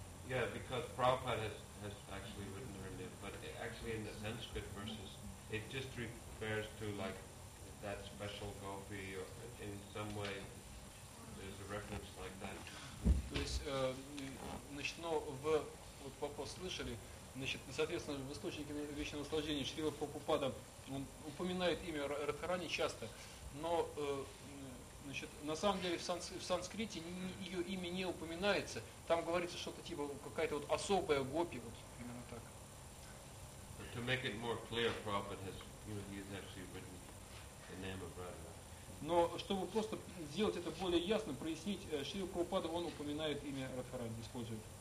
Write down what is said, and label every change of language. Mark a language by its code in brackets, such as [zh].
[en] Yeah, because Prabhupada has actually written her name, but actually in the Sanskrit verses, it just refers to like that special gopi, or in some way, there's a reference like that. [ru] То есть, значит, но в вот вопрос слышали, значит, соответственно, в источнике вечного наслаждения Шрила Прабхупада он упоминает имя Радхарани часто, но значит, на самом деле в санскрите ее имя не упоминается. Там говорится что-то типа какая-то вот особая гопи, вот именно так. [en] But to make it more clear, Prabhupada has, you know, he's actually written the name of Radha. [ru] Но чтобы просто сделать это более ясно, прояснить, Шрила Прабхупада он упоминает имя Радхарани, использует.